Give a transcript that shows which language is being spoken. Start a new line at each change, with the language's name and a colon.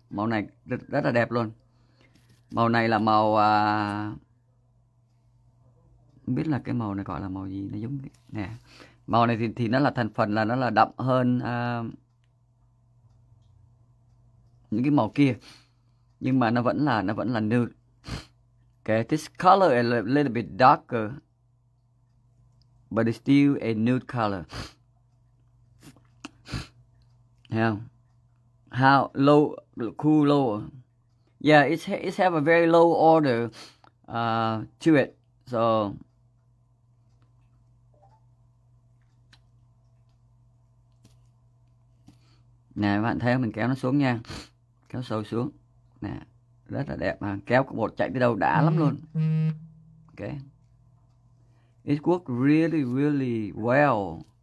Vietnamese: Màu này rất là đẹp luôn. Màu này là màu... Không biết là cái màu này gọi là màu gì. Nó giống... Nè. Màu này thì nó là thành phần là nó là đậm hơn những cái màu kia, nhưng mà nó vẫn là nude.
English: Okay, this color is a little bit darker, but it's still a nude color. Yeah. How low, cool low? Yeah, it's have a very low order to it.
Vietnamese: So nè, các bạn thấy mình kéo nó xuống nha. Kéo sâu xuống. Nè, rất là đẹp mà. Kéo cái bột chạy tới đâu đã lắm luôn.
English: Ok. It worked really, really well.